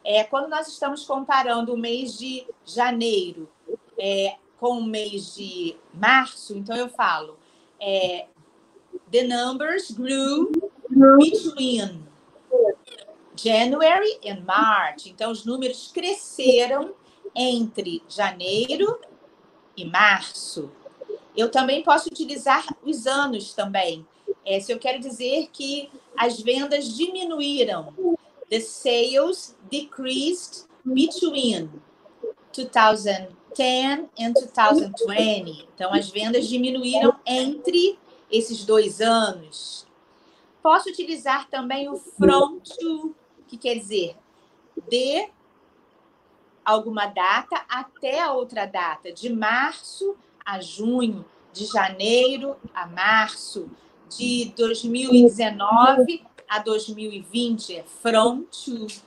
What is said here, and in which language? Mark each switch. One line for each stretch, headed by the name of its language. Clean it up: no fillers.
Portuguese: Quando nós estamos comparando o mês de janeiro com o mês de março, então eu falo,
English: the numbers grew between January and March.
Portuguese: Então, os números cresceram entre janeiro e março. Eu também posso utilizar os anos também. Se eu quero dizer que as vendas diminuíram,
English: the sales decreased between 2010 and 2020.
Portuguese: Então, as vendas diminuíram entre esses dois anos. Posso utilizar também o from to, que quer dizer de alguma data até a outra data, de março a junho, de janeiro a março, de 2019 a 2020, from to.